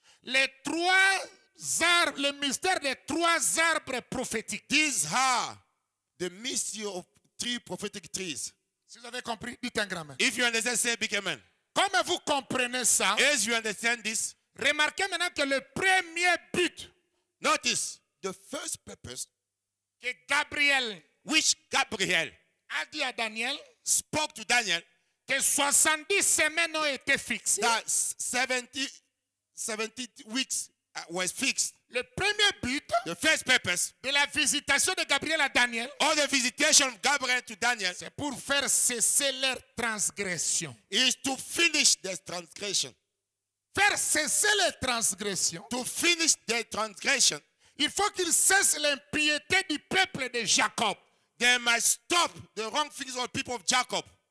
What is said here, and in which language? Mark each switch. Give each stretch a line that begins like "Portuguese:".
French: Les trois arbres, le mystère des trois arbres prophétiques.
English: These are the mystery of three prophetic trees.
French: Si vous avez compris, dites un grand
English: amen. If you understand, say big amen.
French: Comme vous comprenez ça.
English: As you understand this.
French: Remarquez maintenant que le premier but.
English: Notice. The first purpose.
French: Que Gabriel,
English: which Gabriel,
French: a dit à Daniel,
English: spoke to Daniel,
French: que 70 semaines ont été fixées.
English: That 70 weeks was fixed.
French: Le premier but,
English: the first purpose,
French: de la visitation de Gabriel à Daniel,
English: or the visitation of Gabriel to Daniel,
French: c'est pour faire cesser leur transgression.
English: Is to finish their transgression.
French: Faire cesser leur transgression.
English: To finish their transgression.
French: Il faut qu'ils cessent l'impiété du peuple de Jacob.
English: They must stop the wrong things of the people of Jacob.